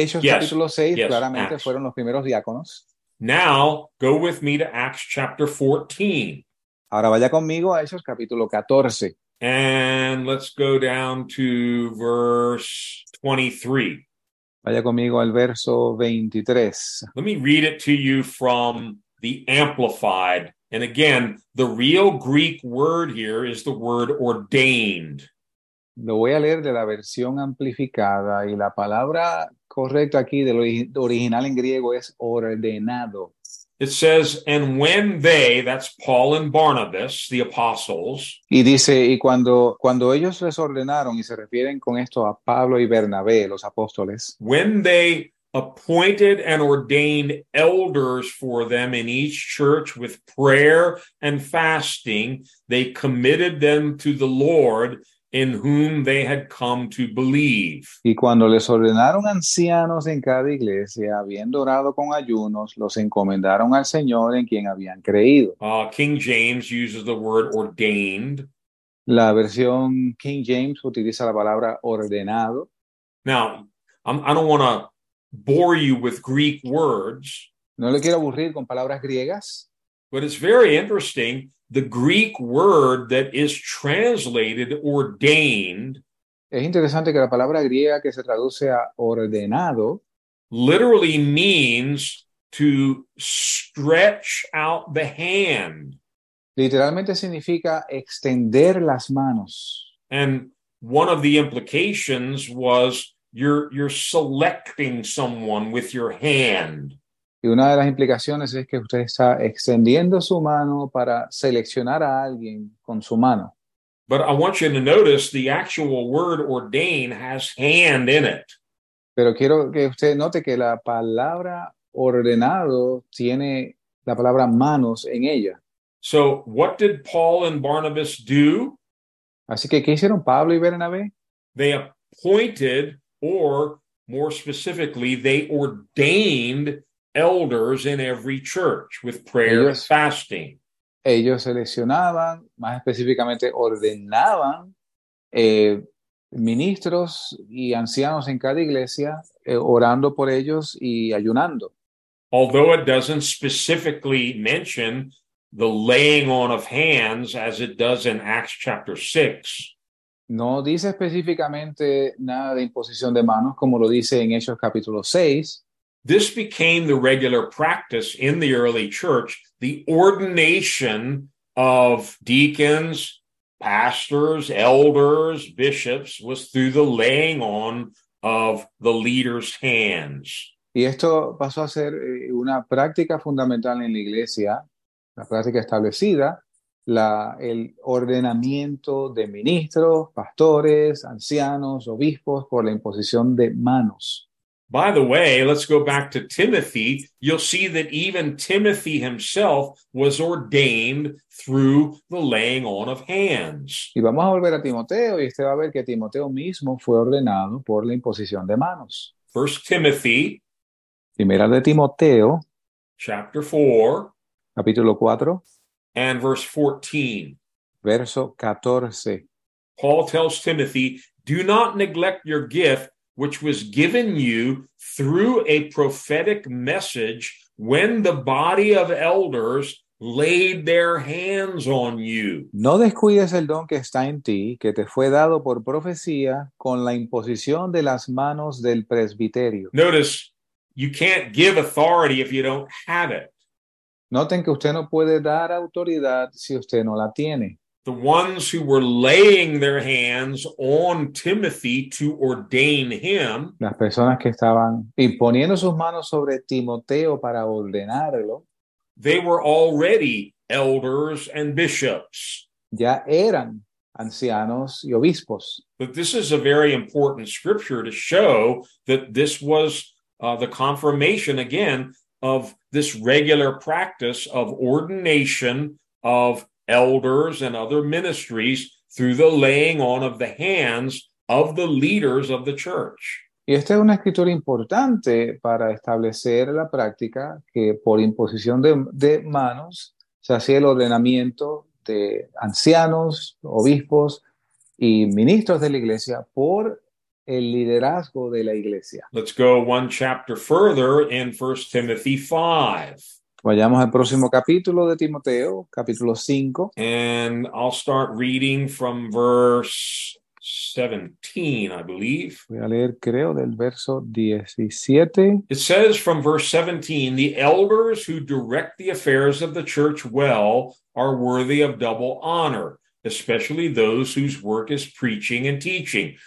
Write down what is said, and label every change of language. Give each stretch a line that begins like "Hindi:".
Spanish: Hechos capítulo 6, claramente, fueron los primeros diáconos.
English: Now, go with me to Acts chapter 14.
Spanish: Ahora vaya conmigo a Hechos capítulo 14.
English: And let's go down to verse 23.
Spanish: Vaya conmigo al verso 23.
English: Let me read it to you from the Amplified. And again, the real Greek word here is the word ordained.
Spanish: Lo voy a leer de la versión amplificada y la palabra correcta aquí del original en griego es ordenado.
English: It says, and when they, that's Paul and Barnabas, the apostles.
Spanish: Y dice, y cuando ellos les ordenaron, y se refieren con esto a Pablo y Bernabé, los apóstoles.
English: When they appointed and ordained elders for them in each church with prayer and fasting, they committed them to the Lord in whom they had come to believe.
Spanish: Y cuando les ordenaron ancianos en cada iglesia, habiendo orado con ayunos, los encomendaron al Señor en quien habían creído.
English: King James uses the word ordained.
Spanish: La versión King James utiliza la palabra ordenado.
English: Now, I don't want to bore you with Greek words.
Spanish: No le quiero aburrir con palabras griegas.
English: But it's very interesting. The Greek word that is translated ordained,
Spanish: es interesante que la palabra griega que se traduce a ordenado,
English: literally means to stretch out the hand.
Spanish: Literalmente significa extender las manos.
English: And one of the implications was you're selecting someone with your hand.
Spanish: Y una de las implicaciones es que usted está extendiendo su mano para seleccionar a alguien con su mano.
English: But I want you to notice the actual word ordain has hand in it.
Spanish: Pero quiero que usted note que la palabra ordenado tiene la palabra manos en ella.
English: So what did Paul and Barnabas do?
Spanish: Así que, ¿qué hicieron Pablo y Bernabé?
English: They appointed, or more specifically, they ordained elders in every church with prayer and fasting.
Spanish: Ellos seleccionaban, más específicamente ordenaban ministros y ancianos en cada iglesia, orando por ellos y ayunando.
English: Although it doesn't specifically mention the laying on of hands as it does in Acts chapter 6.
Spanish: No dice específicamente nada de imposición de manos como lo dice en Hechos capítulo 6.
English: This became the regular practice in the early church, the ordination of deacons, pastors, elders, bishops was through the laying on of the leader's hands.
Spanish: Y esto pasó a ser una práctica fundamental en la iglesia, la práctica establecida, el ordenamiento de ministros, pastores, ancianos, obispos por la imposición de manos.
English: By the way, let's go back to Timothy. You'll see that even Timothy himself was ordained through the laying on of hands.
Spanish: Y vamos a volver a Timoteo y usted va a ver que Timoteo mismo fue ordenado por la imposición de manos.
English: 1 Timothy,
Spanish: Primera de Timoteo,
English: chapter 4,
Spanish: capítulo 4,
English: and verse 14.
Spanish: Verso 14.
English: Paul tells Timothy, "Do not neglect your gift, which was given you through a prophetic message when the body of elders laid their hands on you."
Spanish: No descuides el don que está en ti, que te fue dado por profecía con la imposición de las manos del presbiterio.
English: Notice, you can't give authority if you don't have it.
Spanish: Noten que usted no puede dar autoridad si usted no la tiene.
English: The ones who were laying their hands on Timothy to ordain him,
Spanish: las personas que estaban imponiendo sus manos sobre Timoteo para ordenarlo,
English: they were already elders and bishops.
Spanish: Ya eran ancianos y obispos.
English: But this is a very important scripture to show that this was the confirmation again of this regular practice of ordination of elders and other ministries through the laying on of the hands of the leaders of the church.
Spanish: Y esta es una escritura importante para establecer la práctica que por imposición de manos se hacía el ordenamiento de ancianos, obispos y ministros de la iglesia por el liderazgo de la iglesia.
English: Let's go one chapter further in 1 Timothy 5.
Spanish: Vayamos al próximo capítulo de Timoteo, capítulo 5.
English: And I'll start reading from verse 17, I believe.
Spanish: Voy a leer, creo, del verso 17.
English: It says from verse 17, "The elders who direct the affairs of the church well are worthy of double honor, especially those whose work is preaching and teaching.